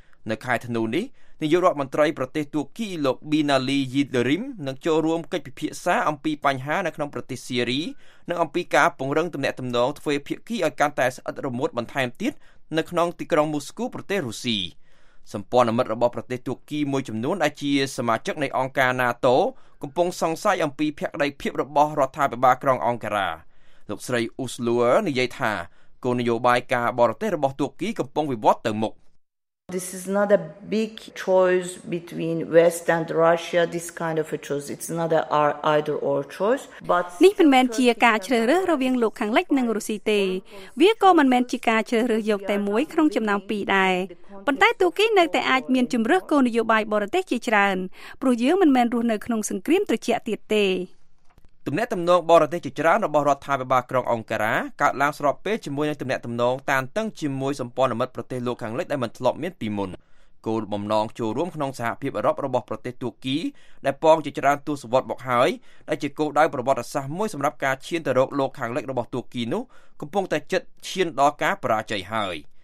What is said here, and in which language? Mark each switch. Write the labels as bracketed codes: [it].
[km] នៅខែធ្នូនេះនាយករដ្ឋមន្ត្រីប្រទេសទួរគីលោក Binali Yildirim នឹងចូលរួមកិច្ចពិភាក្សាអំពីបញ្ហានៅក្នុងប្រទេសស៊ីរីនិងអំពីការពង្រឹងទំនាក់ទំនងទ្វេភាគីឲ្យកាន់តែស្អិតរមួតបន្ថែមទៀតនៅក្នុងទីក្រុងមូស្គូប្រទេសរុស្ស៊ីសម្ព័ន្ធមិត្តរបស់ប្រទេសទួរគីមួយចំនួនដែលជាសមាជិកនៃអង្គការ NATO កំពុងសង្ស័យអំពីភក្តីភាពរបស់រដ្ឋាភិបាលក្រុងអង្ការ៉ាលោកស្រី Uslu និយាយថាគោលនយោបាយការបរទេសរបស់ទួរគីកំពុងវិវត្តទៅមុខ [en] This is not a big choice between West and Russia this kind of a choice it's not a either or choice but [km] នេះមិនមែនជាការជ្រើសរើសរវាងលោកខាងលិចនិងរុស្ស៊ីទេវាក៏មិនមែនជាការជ្រើសរើសយកតែមួយក្នុងចំណោមពីរដែរប៉ុន្តែទូគីនៅតែអាចមានជំរើសគោលនយោបាយបរទេសជាច្រើនព្រោះយើងមិនមែនរស់នៅក្នុងសង្គ្រាមត្រជាក់ទៀតទេ ទំនាក់ទំនងបរទេសជាច្រើនរបស់រដ្ឋាភិបាលក្រុងអង្ការ៉ាកើតឡើងស្របពេលជាមួយនឹងទំនាក់ទំនងតានតឹងជាមួយសម្ព័ន្ធមិត្តប្រទេសលោកខាងលិចដែលមិនធ្លាប់មានពីមុនគោលបំណងចូលរួមក្នុងសហភាពអឺរ៉ុបរបស់ប្រទេសទួគីដែលពងជាច្រើនទស្សវត្សមកហើយដែលជាគោលដៅប្រវត្តិសាស្ត្រមួយសម្រាប់ការឈានទៅរកលោកខាងលិចរបស់ទួគីនោះកំពុងតែជិតឈានដល់ការបរាជ័យហើយ